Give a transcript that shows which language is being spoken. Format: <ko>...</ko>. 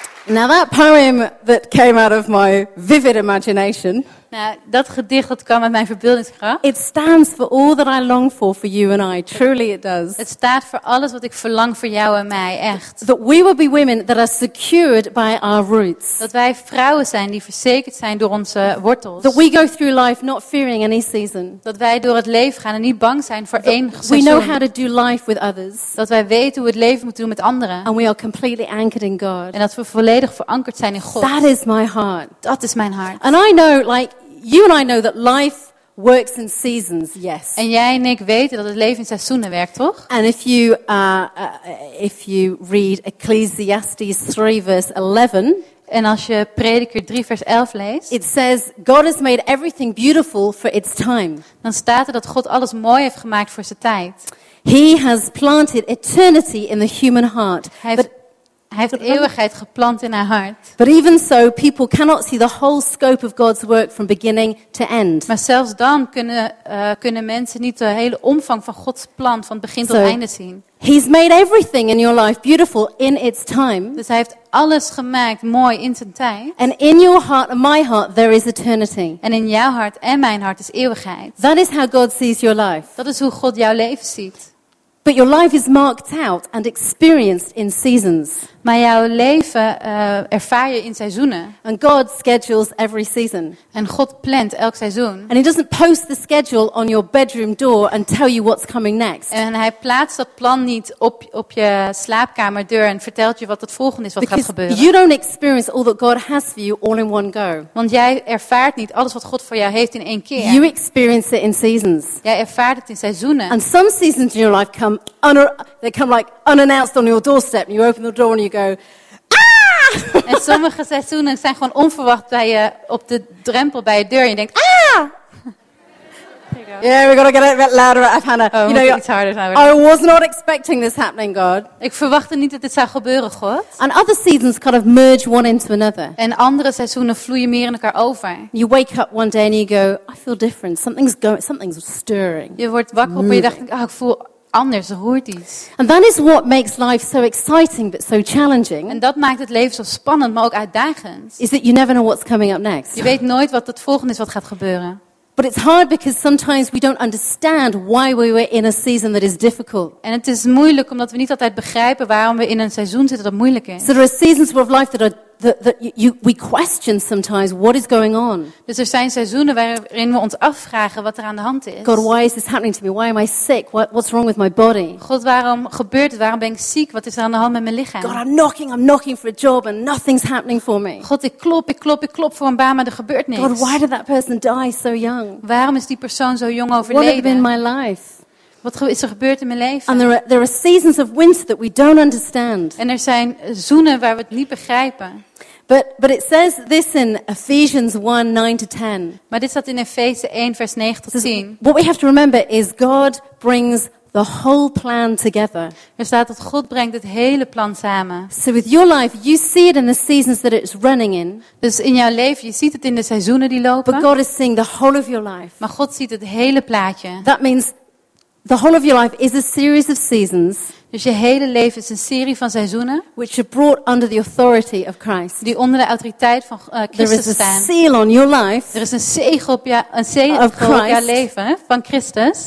<en>Now that poem that came out of my vivid imagination.</en> <nl>Nou, dat gedicht dat kwam uit mijn verbeeldingskracht.</nl> <en>It stands for all that I long for you and I. Truly it does.</en> <nl>Het staat voor alles wat ik verlang voor jou en mij, echt.</nl> <en>That we will be women that are secured by our roots.</en> <nl>Dat wij vrouwen zijn die verzekerd zijn door onze wortels.</nl> <en>That we go through life not fearing any season.</en> <nl>Dat wij door het leven gaan en niet bang zijn voor één seizoen.</nl> <en>We know how to do life with others.</en> <nl>Dat wij weten hoe het leven moet doen met anderen.</nl> <en>And we are completely anchored in God.</en> <nl>En dat we volledig verankerd zijn in God.</nl> <en>That is my heart.</en> <nl>Dat is mijn hart.</nl> <en>And I know, like, you and I know that life works in seasons, yes.</en> <nl>En jij en ik weten dat het leven in seizoenen werkt, toch?</nl> <en>And if you read Ecclesiastes 3 verse 11.</en> <nl>En als je Prediker 3 vers 11 leest.</nl> <en>It says, God has made everything beautiful for its time.</en> <nl>Dan staat er dat God alles mooi heeft gemaakt voor zijn tijd.</nl> <en>He has planted eternity in the human heart.</en> <nl>Hij heeft eeuwigheid geplant in haar hart.</nl> <en>But even so, people cannot see the whole scope of God's work from beginning to end.</en> <nl>Maar zelfs dan kunnen mensen niet de hele omvang van Gods plan van begin tot einde zien.</nl> <en>He's made everything in your life beautiful in its time.</en> <nl>Dus hij heeft alles gemaakt mooi in zijn tijd.</nl> <en>And in your heart and my heart there is eternity.</en> <nl>En in jouw hart en mijn hart is eeuwigheid.</nl> <en>That is how God sees your life.</en> <nl>Dat is hoe God jouw leven ziet.</nl> <en>But your life is marked out and experienced in seasons.</en> <nl>Maar jouw leven ervaar je in seizoenen.</nl> <en>And God schedules every season.</en> <nl>En God plant elk seizoen.</nl> <en>And he doesn't post the schedule on your bedroom door and tell you what's coming next.</en> <nl>En hij plaatst dat plan niet op je slaapkamerdeur en vertelt je wat het volgende is wat</nl> <en>Because</en> <nl>gaat gebeuren.</nl> <en>You don't experience all that God has for you all in one go.</en> <nl>Want jij ervaart niet alles wat God voor jou heeft in één keer.</nl> <en>You experience it in seasons.</en> <nl>Jij ervaart het in seizoenen.</nl> <en>And some seasons in your life come like unannounced on your doorstep. You open the door and you go, ah!</en> <nl>En sommige seizoenen zijn gewoon onverwacht bij je op de drempel bij je deur en je denkt, ah!</nl> <en>Yeah, we gotta get it a bit louder. I've had a, you know, it's harder now. I was not expecting this happening, God.</en> <nl>Ik verwachtte niet dat dit zou gebeuren, God.</nl> <en>And other seasons kind of merge one into another.</en> <nl>En andere seizoenen vloeien meer in elkaar over.</nl> <en>You wake up one day and you go, I feel different. Something's stirring.</en> <nl>Je wordt wakker op en je dacht, oh, ik voel anders, hoort iets.</nl> <en>And that is what makes life so exciting but so challenging.</en> <nl>En dat maakt het leven zo spannend, maar ook uitdagend.</nl> <en>Is that you never know what's coming up next.</en> <nl>Je weet nooit wat het volgende is wat gaat gebeuren.</nl> <en>But it's hard because sometimes we don't understand why we were in a season that is difficult.</en> <nl>En het is moeilijk omdat we niet altijd begrijpen waarom we in een seizoen zitten dat moeilijk is.</nl> <en>So there are seasons of life that we question sometimes what is going on.</en> <nl>Dus er zijn seizoenen waarin we ons afvragen wat er aan de hand is.</nl> <en>God, why is this happening to me? Why am I sick? What's wrong with my body?</en> <nl>God, waarom gebeurt het? Waarom ben ik ziek? Wat is er aan de hand met mijn lichaam?</nl> <en>God, I'm knocking for a job and nothing's happening for me.</en> <nl>God, ik klop voor een baan, maar er gebeurt niks.</nl> <en>God, why did that person die so young?</en> <nl>Waarom is die persoon zo jong overleden?</nl> <en>What happened in my life?</en> <nl>Wat is er gebeurd in mijn leven?</nl> <en>And there are seasons of winter that we don't understand.</en> <nl>En er zijn seizoenen waar we het niet begrijpen.</nl> <en>But it says this in Ephesians 1, 9 to 10.</en> <nl>Maar dit staat in Efeze 1, vers 9 tot 10.</nl> <en>What we have to remember is God brings the whole plan together.</en> <nl>Er staat dat God brengt het hele plan samen.</nl> <en>So with your life, you see it in the seasons that it's running in.</en> <nl>Dus in jouw leven, je ziet het in de seizoenen die lopen.</nl> <en>But God is seeing the whole of your life.</en> <nl>Maar God ziet het hele plaatje.</nl> <en>That means the whole of your life is a series of seasons.</en> <nl>Dus je hele leven is een serie van seizoenen.</nl> <en>Which are brought under the authority of Christ.</en> <nl>Die onder de autoriteit van Christus staan.</nl> <en>There is a seal on your life.</en> <nl>Er is een zegel op jouw leven van Christus.</nl>